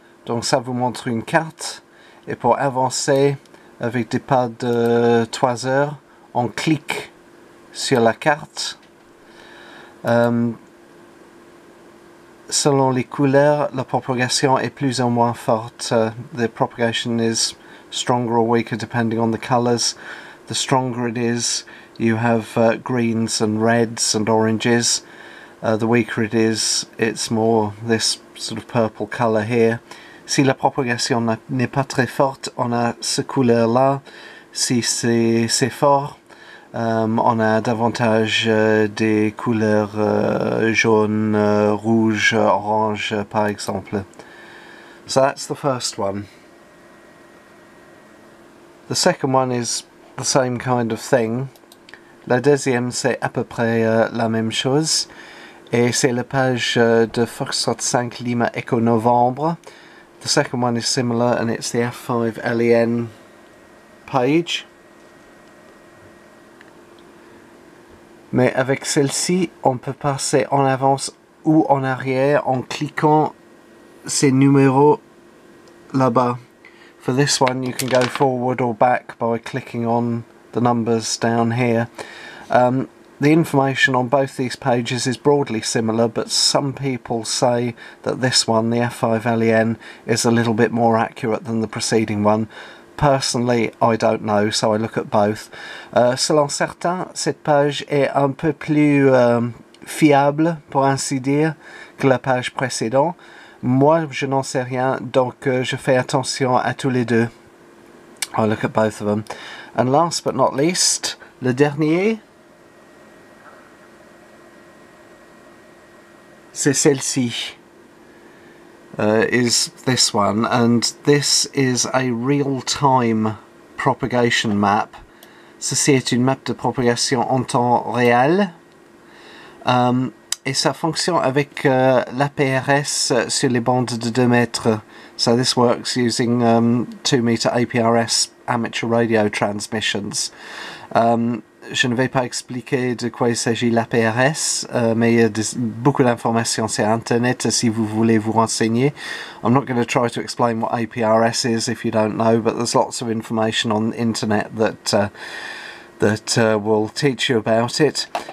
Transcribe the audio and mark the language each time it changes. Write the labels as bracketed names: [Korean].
[French] Donc ça vous montre une carte. Et pour avancer avec des pas de 3 heures, on clique sur la carte. Selon les couleurs, la propagation est plus ou moins forte. [English] The propagation is stronger or weaker depending on the colors. The stronger it is, you have greens and reds and oranges. The weaker it is, it's more this sort of purple colour here. [French] Si la propagation n'est pas très forte, on a ce couleur là. Si c'est fort, on a davantage des couleurs jaunes, rouges, oranges, par exemple. [English] So that's the first one. The second one is the same kind of thing. [French] La deuxième, c'est à peu près la même chose. Et c'est la page de Fox 5 Lima Echo Novembre. [English] The second one is similar and it's the F5 LEN page. [French] Mais avec celle-ci, on peut passer en avance ou en arrière en cliquant ces numéros là-bas. [English] For this one, you can go forward or back by clicking on the numbers down here. The information on both these pages is broadly similar, but some people say that this one, the F5 LEN, is a little bit more accurate than the preceding one. Personally, I don't know, so I look at both. [French] Selon certains, cette page est un peu plus fiable, pour ainsi dire, que la page précédente. Moi, je n'en sais rien, donc je fais attention à tous les deux. [English] I look at both of them. And last but not least, [French] le dernier, c'est celle-ci, [English] is this one, and this is a real-time propagation map. [French] Ceci est une map de propagation en temps réel, et ça fonctionne avec l'APRS sur les bandes de 2 mètres. [English] So this works using 2-meter APRS amateur radio transmissions. [French] Je ne vais pas expliquer de quoi il s'agit l'APRS, mais il y a beaucoup d'informations sur Internet si vous voulez vous renseigner. [English] I'm not going to try to explain what APRS is if you don't know, but there's lots of information on Internet that will teach you about it.